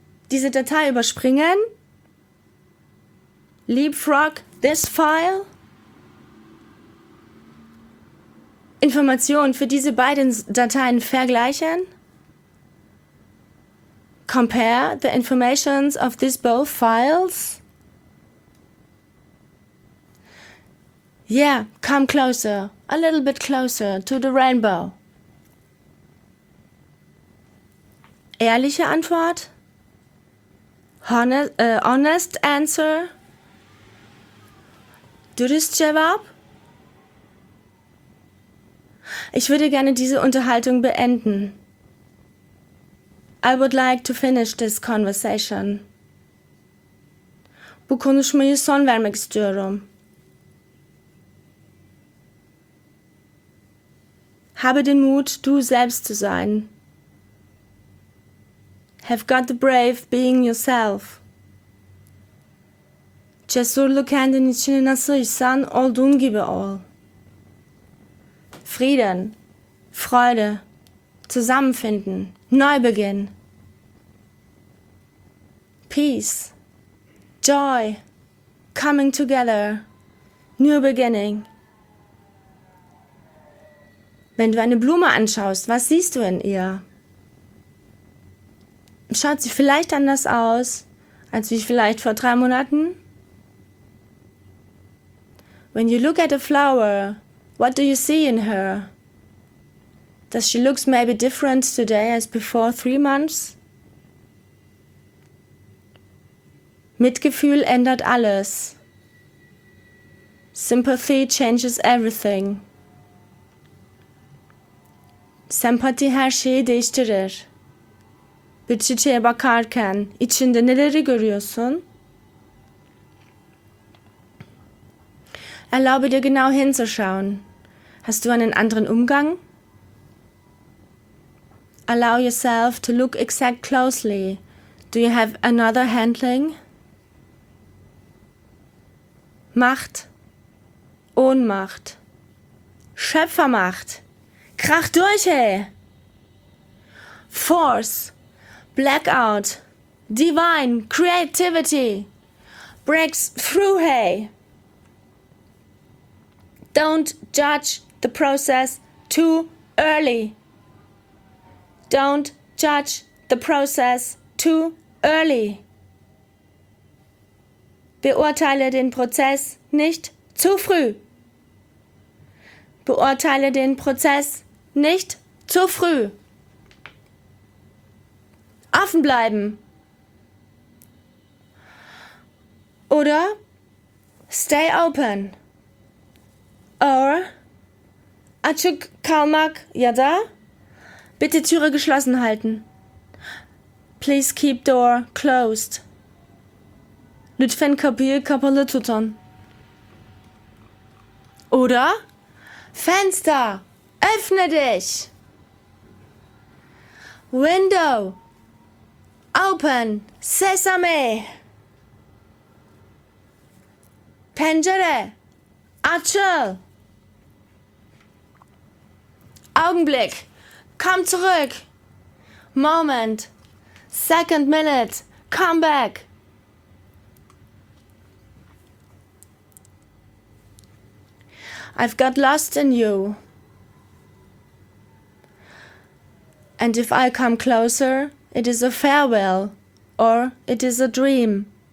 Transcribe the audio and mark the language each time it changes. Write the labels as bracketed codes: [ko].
[de] Diese Datei überspringen? [en] Leapfrog this file? [de] Informationen für diese beiden Dateien vergleichen? [en] Compare the informations of these both files? Yeah, come closer, a little bit closer to the rainbow. [de] Ehrliche Antwort? [en] Honest answer? Du bist Jawab? [de] Ich würde gerne diese Unterhaltung beenden. [en] I would like to finish this conversation. [tr] Bu konuşmayı son vermek istiyorum. [de] Habe den Mut, du selbst zu sein. [en] Have got the brave being yourself. [tr] Cesurlu kendin için nasılsan olduğun gibi ol. [de] Frieden, Freude, zusammenfinden, Neubeginn. [en] Peace, joy, coming together, new beginning. [de] Wenn du eine Blume anschaust, was siehst du in ihr? Schaut sie vielleicht anders aus, als wie vielleicht vor 3 Monaten? [en] When you look at a flower, what do you see in her? Does she look maybe different today as before 3 months? [de] Mitgefühl ändert alles. [en] Sympathy changes everything. [tr] Sympathy her şeyi değiştirir. Bir çiçeğe bakarken içinde neleri görüyorsun? [de] Erlaube dir genau hinzuschauen. Hast du einen anderen Umgang? [en] Allow yourself to look exact closely. Do you have another handling? [de] Macht, Ohnmacht, Schöpfermacht, krach durch, ey! [en] Force, Blackout, Divine, Creativity, breaks through, hey! Don't judge the process too early. Don't judge the process too early. [de] Beurteile den Prozess nicht zu früh. Beurteile den Prozess nicht zu früh. Offen bleiben. Oder [en] stay open. Or [tr] açık kalmak ya da [de] bitte Türe geschlossen halten. [en] Please keep door closed. [tr] Lütfen kapıyı kapalı tutun. [de] Oder Fenster, öffne dich. [en] Window, open, sesame. [tr] Pencere, açıl. [de] Augenblick, komm zurück. [en] Moment, second minute, come back. I've got lost in you. And if I come closer, it is a farewell or it is a dream.